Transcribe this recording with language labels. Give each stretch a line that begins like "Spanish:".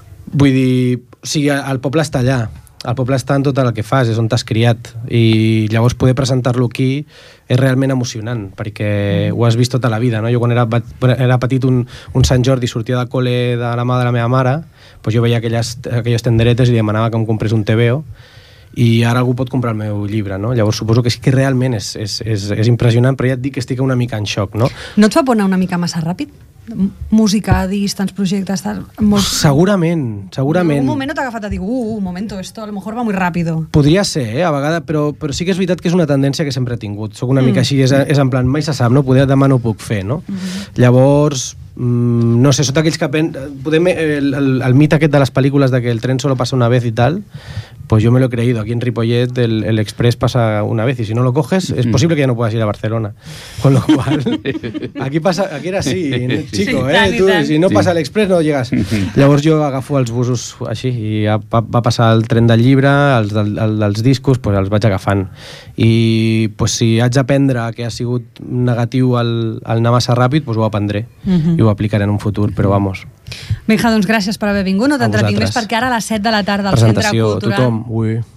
Catalan: Vull dir, o sigui, el poble està allà, el poble està en tot el que fas, és on t'has criat, i llavors poder presentar-lo aquí és realment emocionant, perquè ho has vist tota la vida, no? Jo quan era petit, un Sant Jordi, sortia de col·le de la mà de la meva mare, doncs jo veia aquelles tenderetes i demanava que em comprés un TVO, i ara algú pot comprar el meu llibre, no? Llavors suposo que sí que realment és impressionant, però ja et dic que estic una mica en xoc, no? No et fa por anar una mica massa ràpid? Música, disc, tants projectes, molt... Segurament. En un moment no t'ha agafat a dir, un moment,
Spanish: esto a lo mejor va muy rápido.
Catalan: Podria ser, a vegades, però sí que és veritat que és una tendència que sempre he tingut. Soc una mica així, és en plan, mai se sap, no? Poder, demà no ho puc fer, no? Llavors... no sé, sota aquells que podem el mite aquest de les pel·lícules de que el tren
Spanish: solo passa una vez i tal, pues yo me lo he creído, aquí en Ripollet el express passa una vez y si no lo coges es posible que ya no puedas ir a Barcelona, con lo cual aquí era así, chico, tú, si no pasa el express no llegas.
Catalan: Llavors jo agafo els busos així i va passar el tren del llibre, els discos, pues els vaig agafant, i pues si haig d'aprendre que ha sigut negatiu el anar massa ràpid, pues ho aprendré i ho aplicaré en un futur, però vamos. Vinga, doncs gràcies per haver vingut, no t'entretinc més, perquè ara a les 7 de la tarda al Centre Cultural...